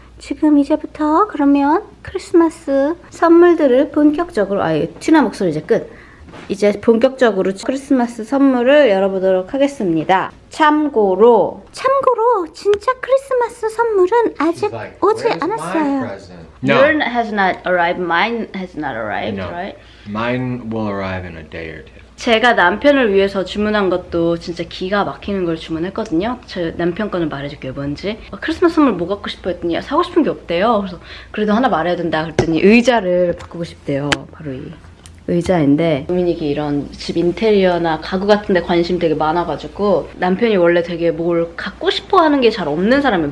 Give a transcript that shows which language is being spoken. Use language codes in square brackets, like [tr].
[ko] 지금 이제부터 그러면 크리스마스 선물들을 본격적으로 튀나 목소리 이제 끝! 이제 본격적으로 크리스마스 선물을 열어보도록 하겠습니다. 참고로 진짜 크리스마스 선물은 아직 [en] like, [ko] 오지 않았어요. [en] No. Your has not arrived, mine has not arrived, no. right? Mine will arrive in a day or two. [ko] 제가 남편을 위해서 주문한 것도 진짜 기가 막히는 걸 주문했거든요. 제 남편 거는 말해줄게요. 뭔지. 크리스마스 선물 뭐 갖고 싶어 했더니 사고 싶은 게 없대요. 그래서 그래도 하나 말해야 된다 그랬더니 의자를 바꾸고 싶대요. 바로 이 의자인데 도미닉이 이런 집 인테리어나 가구 같은 데 관심 되게 많아가지고 남편이 원래 되게 뭘 갖고 싶어 하는 게 잘 없는 사람이에요.